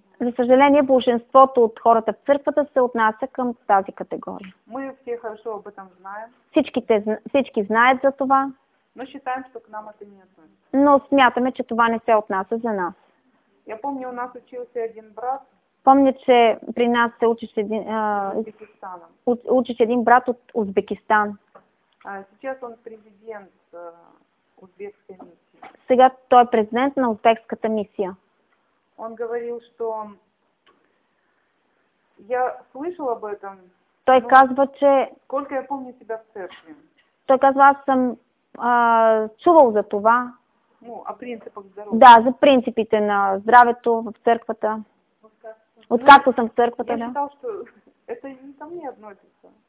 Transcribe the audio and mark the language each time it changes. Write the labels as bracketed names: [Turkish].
[Bulgarian] За съжаление, большинството от хората в църквата се отнася към тази категория. [Russian] Мы все хорошо об этом знаем. [Bulgarian] Всички знаят за това. [Russian] Но считаем, что к нам это не относится. [Bulgarian] Но смятаме, че това не се отнася за нас. [Russian] Я помню, у нас учился один брат. [Bulgarian] Помня, че при нас се учиш един брат от Узбекистан. [Russian] Сейчас он президент узбекской миссии. [Bulgarian] Сега той е президент на узбекската мисия. [Russian] Он говорил, что я слышал об этом. [Bulgarian] Той казва, че [Russian] сколько я помню себя в церкви. [Bulgarian] Той казва, аз съм чувал за това. [Russian] Ну, о принципах здоровья. [Bulgarian] Да, за принципите на здравето в църквата. Откакто съм в църквата, [Russian] да. Я считал, что это не ко мне относится.